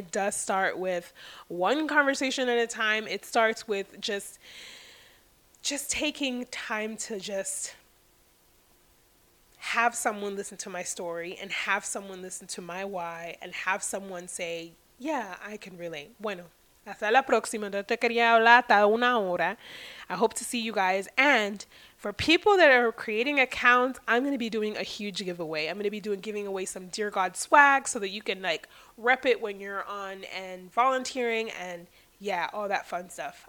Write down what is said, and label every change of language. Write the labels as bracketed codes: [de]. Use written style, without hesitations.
[en] It does start with one conversation at a time. It starts with just taking time to just have someone listen to my story and have someone listen to my why and have someone say, yeah, I can relate. [es] Bueno, hasta la próxima. No te quería hablar hasta una hora. [en] I hope to see you guys. And for people that are creating accounts, I'm going to be doing a huge giveaway. I'm going to be giving away some Dear God swag so that you can, like, rep it when you're on and volunteering and, yeah, all that fun stuff.